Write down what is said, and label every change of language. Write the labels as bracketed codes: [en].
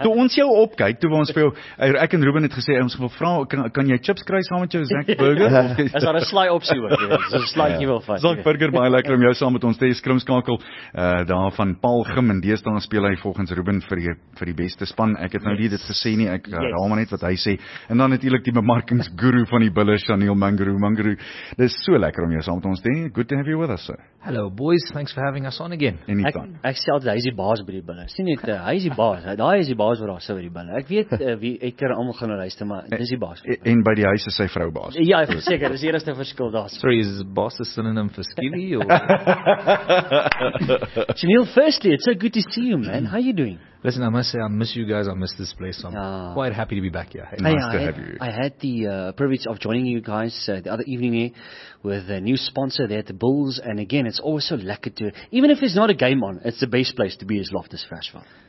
[af] Toe ons jou opkyk, toe ons vir jou, ek en Ruben het gesê, ons wil vraag, kan jy chips kry saam met jou Zach's Burgers? Is daar een sly optie ook, is een sly jy wil vat. Zach Burger, baie lekker om jou saam met ons te skrimskakel, daar van Paul Gim en deesdaan speel hy volgens Ruben vir die beste span, ek het nou nie dit gesê nie, ek raal maar net wat hy sê, en dan natuurlijk die bemarkingsguru van die bille, Chanel Mangaroo, dit is so lekker om jou saam met ons te, [en] good to have you with us sir. Hello boys, thanks for having us on again. [af] Ek sê altyd, hy is die baas by die bille. Sien net, hy is die baas, daai is die baas waar sy by die bille. Ek weet, wie ek kan allemaal gaan luister, maar dit is die baas. En by die huis is sy vrou baas. Ja, seker, dit is die eerste verskil daar. [en] Sorry, is baas a synonym for skinny? Chanel, firstly, it's so good to see you, man. How are you doing? Listen, I must say, I miss you guys, I miss this place, so I'm quite happy to be back here. Hey, nice to have you. I had the privilege of joining you guys the other evening here with a new sponsor there at the Bulls, and again, it's always so lekker to, even if it's not a game on, it's the best place to be as Loftus Freshville.